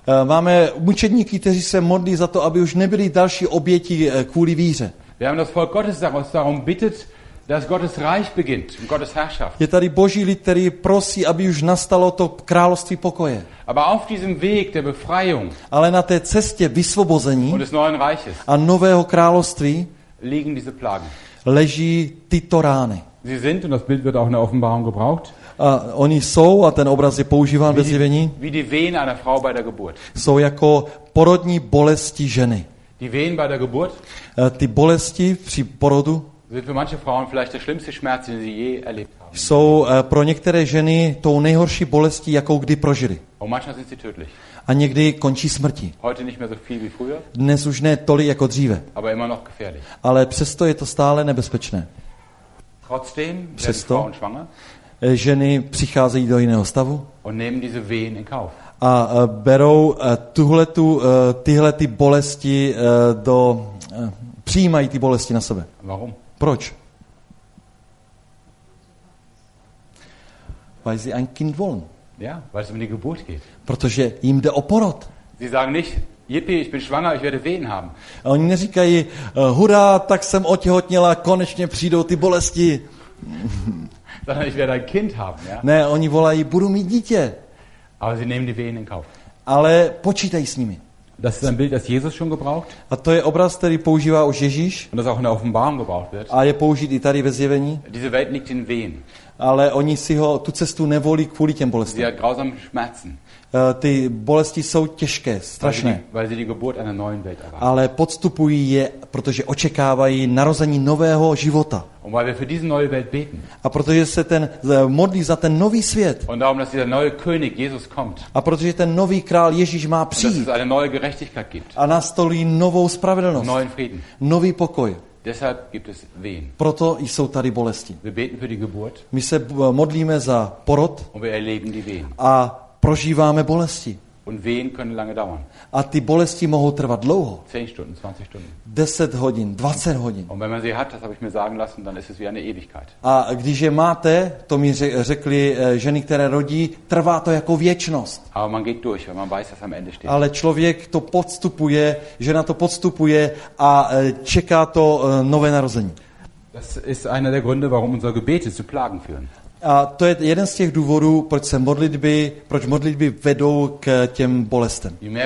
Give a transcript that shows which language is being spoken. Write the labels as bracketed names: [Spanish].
[Czech] Máme mučedníky, kteří se modlí za to, aby už nebyli další oběti kvůli víře. [German] Wir haben das Volk Gottes, das darum bittet, dass Gottes Reich beginnt, Gottes Herrschaft. [Czech] Je tady Boží lid, který prosí, aby už nastalo to království pokoje. [German] Aber auf diesem Weg der Befreiung. [Czech] Ale na té cestě vysvobození. [German] Und des neuen Reiches. [Czech] A nového království. [German] Liegen diese Plagen. [Czech] Leží tyto rány. [German] Sie sind und das Bild wird auch in der Offenbarung gebraucht. [Czech] A oni jsou a ten obraz je používán ve zjevení. [German] Wie die Wehen einer Frau bei der Geburt. [Czech] Jsou jako porodní bolesti ženy. [German] Die Wehen bei der Geburt. [Czech] Ty bolesti při porodu. [German] Sind für manche Frauen vielleicht der schlimmste Schmerz, den sie je erlebt haben. [Czech] Jsou pro některé ženy tou nejhorší bolestí, jakou kdy prožili. [German] Und manchmal sind sie tödlich. [Czech] A někdy končí smrti. [German] Heute nicht mehr so viel wie früher. [Czech] Dnes už ne tolik jako dříve. [German] Aber immer noch gefährlich. [Czech] Ale přesto je to stále nebezpečné. [German] Trotzdem přesto werden Frauen schwanger. [Czech] Ženy přicházejí do jiného stavu. [German] Und nehmen diese Wehen in Kauf. [Czech] A berou tyhle ty bolesti do přijímají ty bolesti na sebe. [German] Warum? [Czech] Proč? [German] Weil sie ein Kind wollen. Ja, weil es um die Geburt geht. [Czech] Protože jim jde o porod. [German] Sie sagen nicht: Jippie, ich bin schwanger, ich werde Wehen haben. [Czech] A oni neříkají: Hurá, tak jsem otěhotněla, konečně přijdou ty bolesti. [German] Sondern ich werde ein Kind haben, ja? [Czech] Ne, oni volají: Budu mít dítě. [German] Aber sie nehmen die Wehen in Kauf. [Czech] Ale počítají s nimi. [German] Das ist ein Bild, das Jesus schon gebraucht. [Czech] A to je obraz, který používá už Ježíš. [German] Und das auch in der Offenbarung gebraucht wird. [Czech] A je použit i tady ve zjevení. [German] Diese Welt liegt in Wehen. [Czech] Ale oni si ho tu cestu nevolí kvůli těm bolestem. [German] Sie hat grausame Schmerzen. [Czech] Ty bolesti jsou těžké, strašné. [German] Weil sie die Geburt einer neuen Welt erwarten. [Czech] Ale podstupují je, protože očekávají narození nového života. [German] Und weil wir für diese neue Welt beten. [Czech] A protože se ten modlí za ten nový svět. [German] Und darum, dass dieser neue König Jesus kommt. [Czech] A protože ten nový král Ježíš má přijít. [German] Dass es eine neue Gerechtigkeit gibt. [Czech] A nastolí novou spravedlnost. [German] Neuen Frieden. [Czech] Nový pokoj. [German] Deshalb gibt es Wehen. [Czech] Proto jsou tady bolesti. [German] Wir beten für die Geburt. [Czech] My se modlíme za porod. [German] Und wir erleben die Wehen. [Czech] A prožíváme bolesti. [German] Und Wehen können lange dauern. [Czech] A ty bolesti mohou trvat dlouho. [German] 10 Stunden, 20 Stunden. [Czech] 10 hodin, 20 hodin. [German] Und wenn man sie hat, das habe ich mir sagen lassen, dann ist es wie eine Ewigkeit. [Czech] A když je máte, to mi řekli ženy, které rodí, trvá to jako věčnost. [German] Aber man geht durch, weil man weiß, dass am Ende steht. [Czech] Ale člověk to podstupuje, žena to podstupuje a čeká to nové narození. [German] Das ist einer der Gründe, warum unsere Gebete zu Plagen führen. [Czech] A to je jeden z těch důvodů, proč modlitby vedou k těm bolestem.